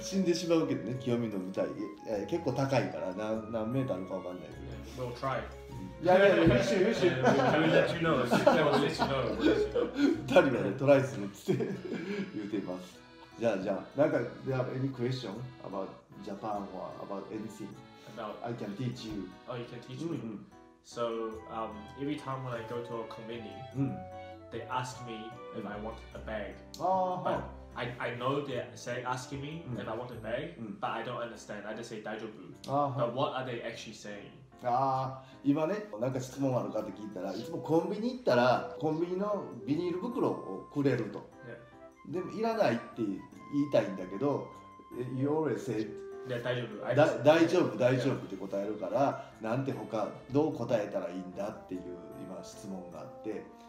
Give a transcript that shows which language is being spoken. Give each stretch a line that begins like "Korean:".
Japanese: 死んでしまうけどね、清水の舞台。結構高いから、何メートルかわかんないけど。
English: Yeah, we'll try. Yeah, you should. We'll let you know. We'll let you know.
Japanese: 2人はね、トライするって言ってます。じゃあ、なんか、
English: do you have any question about Japan or about anything? About? I can teach you. Oh, you can teach me? Mm-hmm. So, every time when I go to a convenience, they ask me if I want a bag. I know they're asking me if I want a bag, but I don't understand. I just say 大丈夫.But what are they actually saying?
Japanese: ああ、今ね、なんか質問あるかって聞いたら、いつもコンビニ行ったら、コンビニのビニール袋をくれると。
English: Yeah.
Japanese: でも、いらないって言いたいんだけど、
English: You always say, yeah,
Japanese: 大丈夫って答えるから、なんて他、どう答えたらいいんだっていう今質問があって。